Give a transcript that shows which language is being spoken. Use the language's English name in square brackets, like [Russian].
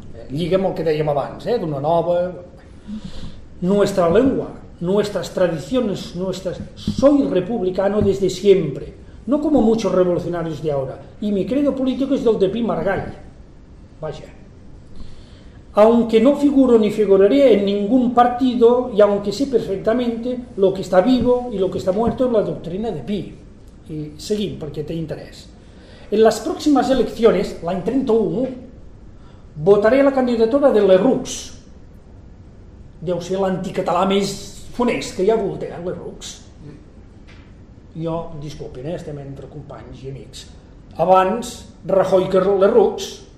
[Catalan] Lliga amb el que dèiem abans, d'una nova... [Spanish] Nuestra lengua, nuestras tradiciones, soy republicano desde siempre, no como muchos revolucionarios de ahora, y mi credo político es del de Pi Margall. Vaya. Aunque no figuro ni figuraré en ningún partido y aunque sé perfectamente lo que está vivo y lo que está muerto en la doctrina de Pi. Y [Catalan] seguim perquè té interès. [Spanish] En las próximas elecciones, [Catalan] l'any 31, [Spanish] votaré la candidatura de Lerroux. [Catalan] Deu ser l'anticatalà més fonès que hi ha hagut, Lerroux. Jo, disculpin, estem entre companys i amics. Abans, Rajoy que Lerroux.